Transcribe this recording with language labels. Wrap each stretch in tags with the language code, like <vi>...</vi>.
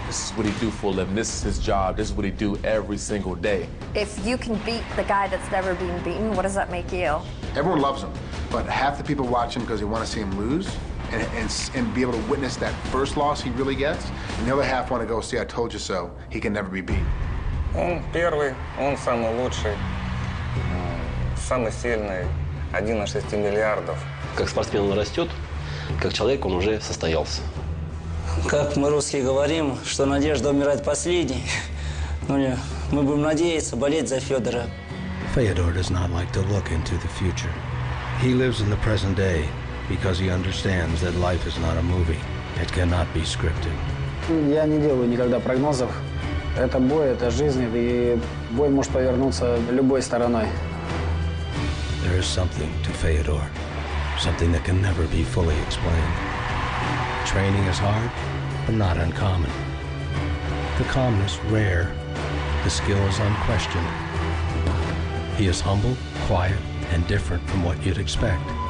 <en>This is what he do for a living. This is his job. This is what he do every single day. If you can beat the guy that's never been beaten, what does that make you? Everyone loves him, but half the people watch him because they want to see him lose and be able to witness that first loss he really gets, and the other half want to go see, I told you so, he can never be beat.</en> <ru>Он первый, он самый лучший, самый сильный, один из 6 миллиардов. Как спортсмен он растет, как человек он уже состоялся. Как мы русские говорим, что надежда умирает последней. Ну, мы будем надеяться, болеть за Федора.</ru> <en>Феодор does not like to look into the future. He lives in the present day because he understands that life is not a movie. It cannot be scripted.</en> <ru>Я не делаю никогда прогнозов. Это бой, это жизнь, и бой может повернуться любой стороной.</ru> <en>There is something to Fedor, something that can never be fully explained. Training is hard, but not uncommon. The calmness rare, the skill is unquestioned. He is humble, quiet, and different from what you'd expect.</en>